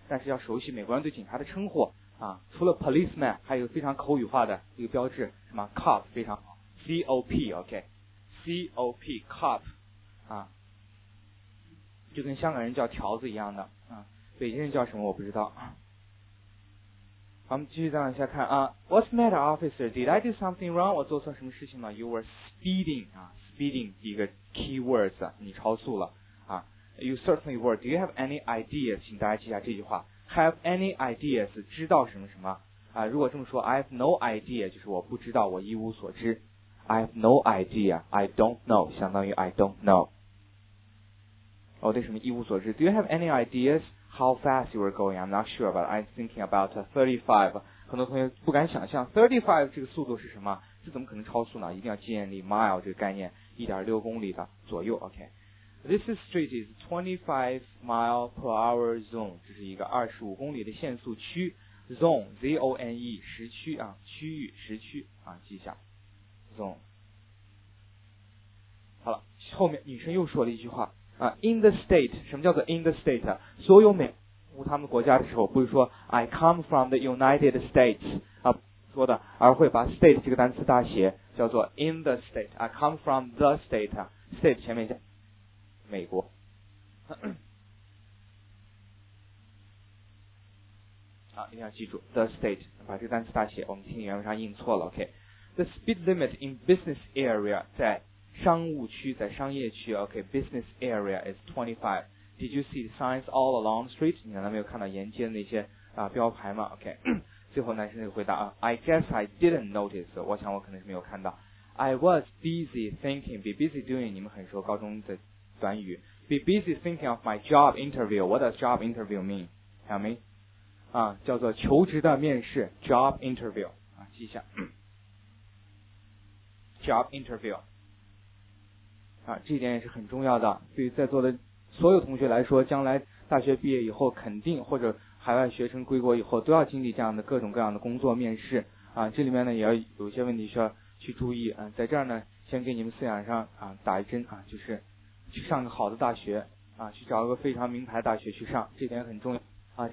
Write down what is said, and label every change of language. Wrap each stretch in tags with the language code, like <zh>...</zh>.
<zh>但是要熟悉美国人对警察的称呼啊，除了 policeman， 还有非常口语化的一个标志，什么 cop 非常好 ，cop OK。 C-O-P cop 啊，就跟香港人叫条子一样的啊，北京人叫什么我不知道。好，我们继续再往下看啊。</zh> <en>What's the matter, officer? Did I do something wrong?</en> <zh>我做错什么事情了 ？</zh> <en>You were speeding</en> <zh>啊 ，speeding 一个 keywords， 你超速了啊。</zh> <en>You certainly were. Do you have any ideas?</en> <zh>请大家记下这句话</zh> <en>，Have any ideas？</en> <zh>知道什么什么啊？如果这么说 ，</zh> <en>I have no idea，</en> <zh>就是我不知道，我一无所知。</zh> <en>I have no idea. I don't know.</en> <zh>相当于</zh> <en>I don't know.</en> <zh>我对什么一无所知。</zh> <en>Do you have any ideas how fast you were going? I'm not sure, but I'm thinking about 35.</en> <zh>很多同学不敢想象35这个速度是什么？这怎么可能超速呢？一定要建立 mile 这个概念，1.6公里的左右。</zh> <en>OK. This street is 25 mile per hour zone.</en> <zh>这是一个25公里的限速区 zone, Z-O-N-E 时区啊，区域时区啊，记一下。好了，后面女生又说了一句话啊 ，</zh> <en>In the state，</en> <zh>什么叫做 in the state？所有美国他们国家的时候，不是说</zh> <en>I come from the United States</en> <zh>啊说的，而会把 state 这个单词大写，叫做 in the state。</zh> <en>I come from the state， state</en> <zh>前面加美国。啊，一定要记住 the state， 把这个单词大写，我们听原文上印错了 ，OK。</zh> <en>The speed limit in business area</en> <zh>在商务区，在商业区</zh> <en>，OK， business area is 25. Did you see signs all along the street?</en> <zh>你难道没有看到沿街的那些标牌吗 ？OK， 最后男生就回答啊 ，</zh> <en>I guess I didn't notice.</en> <zh>我想我可能是没有看到。</zh> <en>I was busy thinking, be busy doing.</en> <zh>你们很熟高中的短语</zh> <en>，be busy thinking of my job interview. What does job interview mean? Tell me.</en> <zh>啊，叫做求职的面试 ，job interview. 啊，记一下。 Job interview 啊，这一点也是很重要的，对于在座的所有同学来说，将来大学毕业以后肯定或者海外学生归国以后都要经历这样的各种各样的工作面试啊，这里面呢也要有一些问题需要去注意啊，在这儿呢先给你们思想上啊打一针啊，就是去上个好的大学啊，去找个非常名牌大学去上，这点很重要啊。</zh>